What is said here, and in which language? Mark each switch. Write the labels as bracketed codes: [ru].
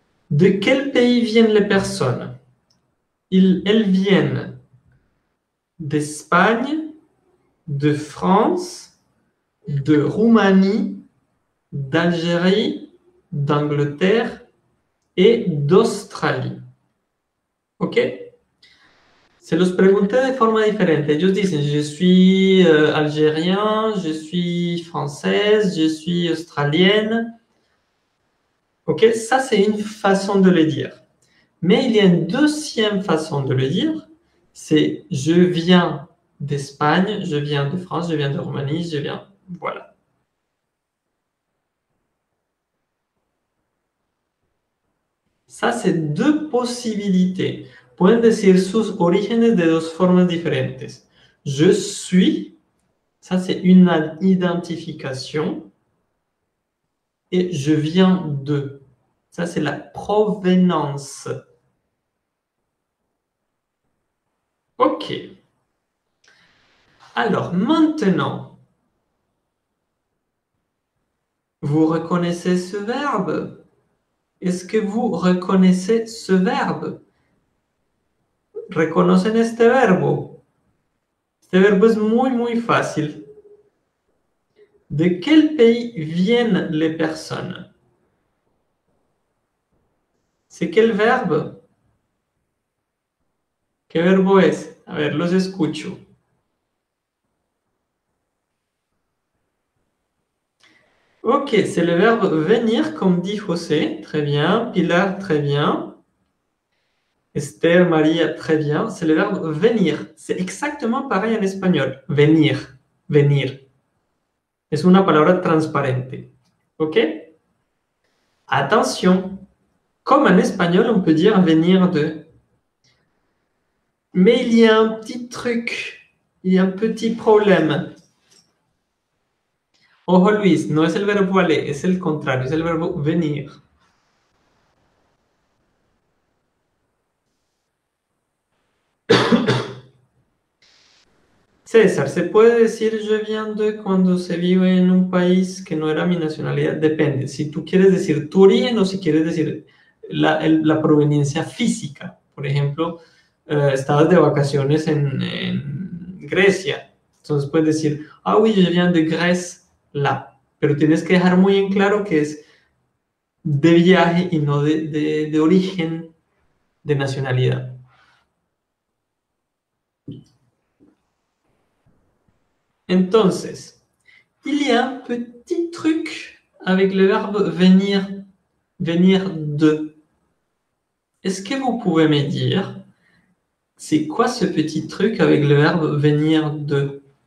[fr] De quel pays viennent les personnes? Elles viennent d'Espagne, de France, de Roumanie, d'Algérie, d'Angleterre et d'Australie. Ok? [es] Se los pregunté de forma diferente. Ellos dicen, [fr] je suis algérien, je suis française, je suis australienne. Ok, ça c'est une façon de le dire. Mais il y a une deuxième façon de le dire, c'est je viens d'Espagne, je viens de France, je viens de Roumanie, je viens... Voilà. Ça c'est deux possibilités. [es] Pueden decir sus orígenes de dos formas diferentes. [fr] Je suis, ça c'est une identification, et je viens de, ça c'est la provenance. Ok. Alors maintenant, vous reconnaissez ce verbe? Est-ce que vous reconnaissez ce verbe? [es] ¿Reconocen este verbo? Este verbo es muy, muy fácil. ¿De qué país vienen las personas? ¿Sé qué verbo? ¿Qué verbo es? A ver, los escucho. Ok, es el verbo venir, como dijo José. [fr] Très bien. Pilar, très bien. Esther, Maria, très bien. C'est le verbe venir. C'est exactement pareil en espagnol. Venir. Venir. [es] Es una palabra transparente. [fr] Ok? Attention, comme en espagnol, on peut dire venir de. Mais il y a un petit truc, il y a un petit problème. [es] Ojo Luis, no es el verbo aller, es el contrario, es el verbo venir. César, ¿se puede decir [fr] je viens de [es] cuando se vive en un país que no era mi nacionalidad? Depende, si tú quieres decir tu origen o si quieres decir la proveniencia física. Por ejemplo, estabas de vacaciones en Grecia. Entonces puedes decir, [fr] ah, oui, je viens de Grèce, là. [es] Pero tienes que dejar muy en claro que es de viaje y no de origen de nacionalidad. Entonces, [fr] il y a un petit truc avec le verbe venir, venir de. Est-ce que vous pouvez me dire, c'est quoi ce petit truc avec le verbe venir de?